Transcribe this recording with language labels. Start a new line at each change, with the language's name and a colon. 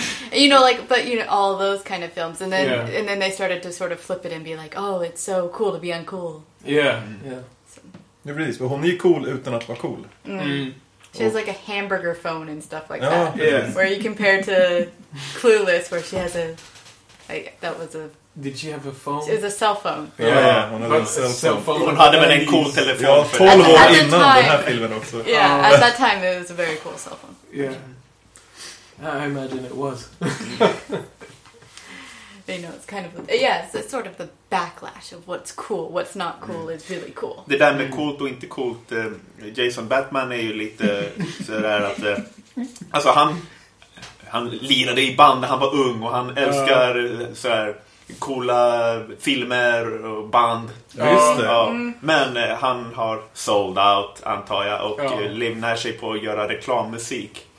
English: You know, like, but you know, all those kind of films, and then yeah. And then they started to sort of flip it and be like, oh, it's so cool to be uncool. Yeah, mm. Yeah.
Swedish: Precis, but hon är cool utan att vara cool.
English: She has like a hamburger phone and stuff like that. Yeah. Where you compare to Clueless, where she has a Did she have a phone? It was a cell phone.
Swedish: Yeah, hon hade en cell phone. Hon hade väl en cool telefon. Ja, 12 år innan den här filmen också.
English: Yeah, at that time it was a very cool cell phone. Yeah. I imagine it was. You know, it's kind of... Yeah, it's sort of the backlash of what's cool, what's not cool is really cool.
Swedish: Det där med coolt och inte coolt, Jason Batman är ju lite sådär att... alltså han lirade i band när han var ung och han älskar så här coola filmer och band. Ja, just det. Ja. Men han har
English: sold out
Swedish: antar jag och limnar sig på att göra reklammusik.